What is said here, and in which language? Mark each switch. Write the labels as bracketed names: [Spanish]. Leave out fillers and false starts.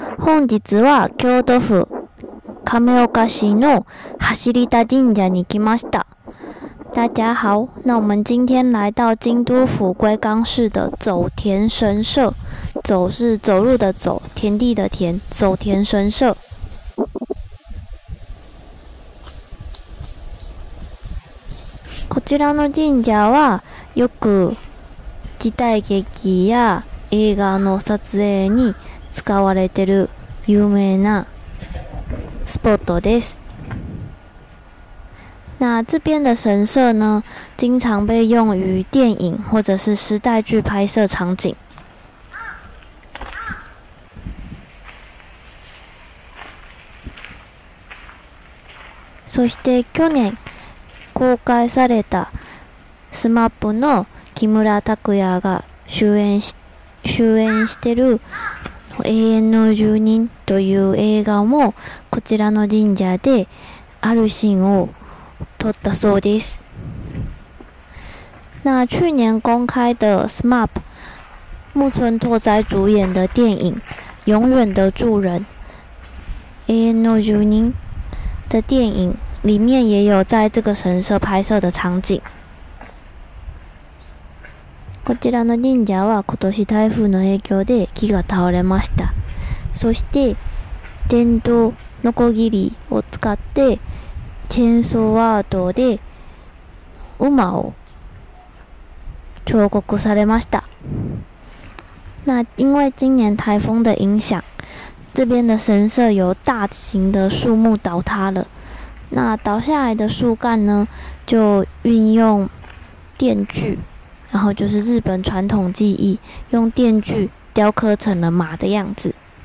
[Japanese] 本日は京都府亀岡市の走田神社に来ました。 [Chinese] 大家好，那我们今天来到京都府龟冈市的走田神社。走是走路的走，田地的田，走田神社。 [Japanese] こちらの神社はよく時代劇や映画の撮影に使われてる有名なスポットです。 [Chinese] 那这边的神社呢，经常被用于电影或者是时代剧拍摄场景。 [Japanese] そして去年公開されたSMAPの木村拓哉が主演してる永遠の住人という映画もこちらの神社であるシーンを撮ったそうです。 [Chinese] 那去年公開的 SMAP 木村拓哉主演的電影永遠的住人永遠の住人的電影里面也有在这个神社拍摄的场景。 [Japanese] こちらの神社は今年台風の影響で木が倒れました。そして、電動ノコギリを使って、チェーンソーアートで馬を彫刻されました。 [Chinese] 那因为今年台风的影响，这边的神社由大型的树木倒塌了。那倒下来的树干呢，就运用电锯，然后就是日本传统技艺，用电锯雕刻成了马的样子。